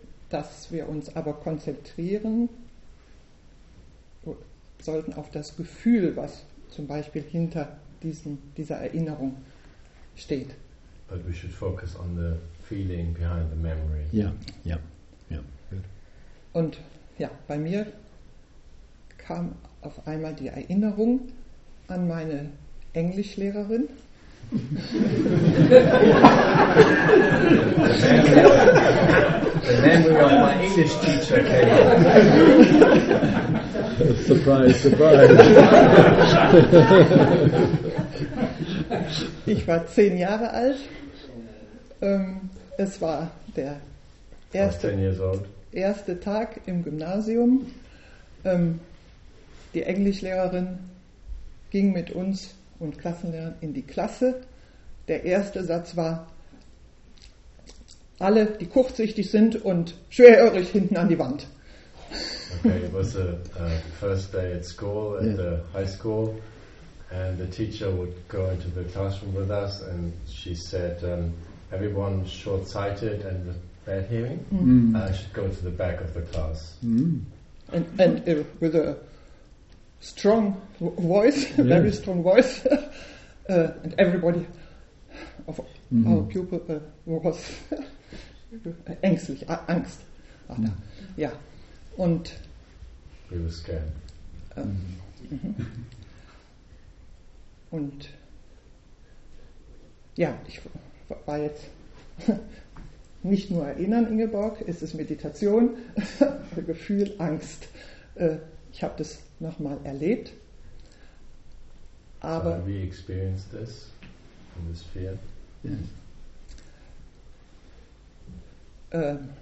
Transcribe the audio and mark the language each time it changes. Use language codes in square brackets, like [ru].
[de] Dass wir uns aber konzentrieren sollten auf das Gefühl, was zum Beispiel hinter dieser Erinnerung steht. [en] But we should focus on the feeling behind the memory. Yeah, good. [de] Und ja, bei mir kam auf einmal die Erinnerung an meine Englischlehrerin. [en] the memory of my English teacher came. Surprise, surprise. [de] Ich war 10 Jahre alt. Es war der erste Tag im Gymnasium. Die Englischlehrerin ging mit uns und Klassenlehrern in die Klasse. Der erste Satz war: alle, die kurzsichtig sind und schwerhörig, hinten an die Wand. [en] Okay, it was the first day at school, at the high school, and the teacher would go into the classroom with us, and she said, everyone short-sighted and with bad hearing, should go to the back of the class. Mm. And with a strong voice, very strong voice, and everybody of our pupil was [de] ängstlich, Angst. Ach, ja. Und [en] we were scared. [de] Und ja, ich war jetzt nicht nur erinnern, Ingeborg, es ist Meditation, Gefühl, Angst. Ich habe das nochmal erlebt. Aber [en] so have we experienced this in this fear?